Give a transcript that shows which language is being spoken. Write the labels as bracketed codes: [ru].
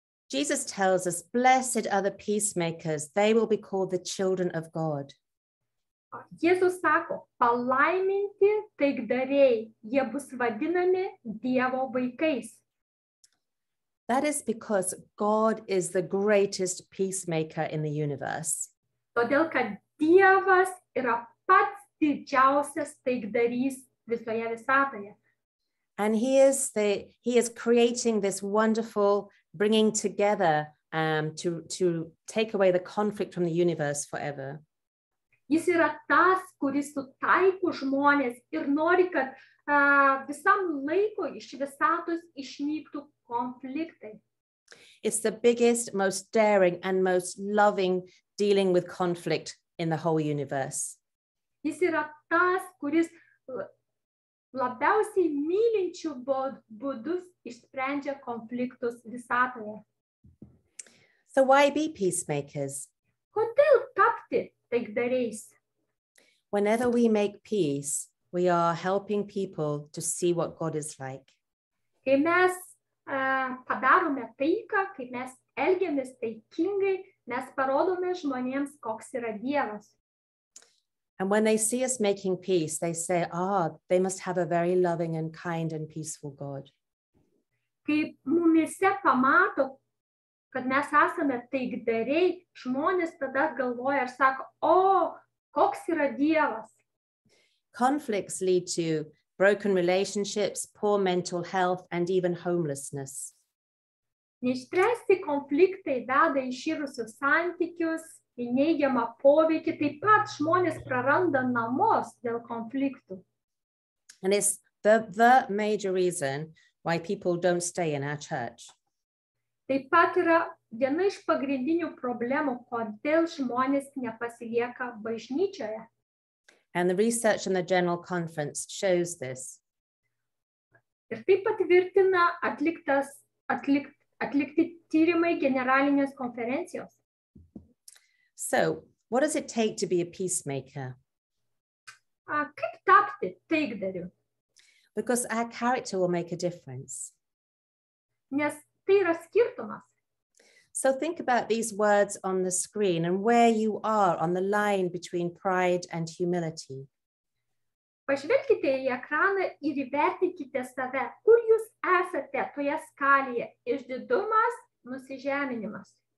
[en] Jesus tells us, blessed are the peacemakers, they will be called the children of God. [lt] Jesus sako, palaiminti taikdariai, jie bus vadinami Dievo vaikais. [en] That is because God is the greatest peacemaker in the universe. [lt] Todėl, kad Dievas yra pats didžiausias taikdarys visoje visatoje. [en] And he is creating this wonderful bringing together to take away the conflict from the universe forever. [lt] Jis yra tas, kuris sutaiko žmonės ir nori, kad visam laikui iš visatos išnyktų konfliktai. [en] It's the biggest, most daring and most loving dealing with conflict in the whole universe. [lt] Jis yra tas, kuris labiausiai mylinčių būdus išsprendžia konfliktus visatoje. [en] So why be peacemakers? [lt] Kodėl tapti taikdariais? [en] Whenever we make peace, we are helping people to see what God is like. [lt] Kai mes padarome taiką, kai mes elgiamės taikingai, mes parodome žmonėms, koks yra Dievas. [en] And when they see us making peace, they say, ah, they must have a very loving and kind and peaceful God. [lt] Kai mumise pamato, kad mes esame taikdariai, žmonės tada galvoja ir sako, o, koks yra Dievas. [en] Conflicts lead to broken relationships, poor mental health, and even homelessness. [lt] Neišspręsti konfliktai veda į iširusius santykius, į neigiamą poveikį, taip pat žmonės praranda namus dėl konfliktų. [en] And it's the major reason why people don't stay in our church. [lt] Taip pat yra viena iš pagrindinių problemų, kodėl žmonės nepasilieka bažnyčioje. [en] And the research in the General Conference shows this. [lt] Ir tai patvirtina atlikti tyrimai generalinės konferencijos. [en] So, what does it take to be a peacemaker? [lt] Kaip tapti taikdariu? [en] Because our character will make a difference. [lt] Nes tai yra skirtumas. [en] So think about these words on the screen and where you are on the line between pride and humility. [lt] Pažvelkite į ekraną ir įvertinkite save, kur jūs esate toje skalėje, išdidumas, nusižeminimas.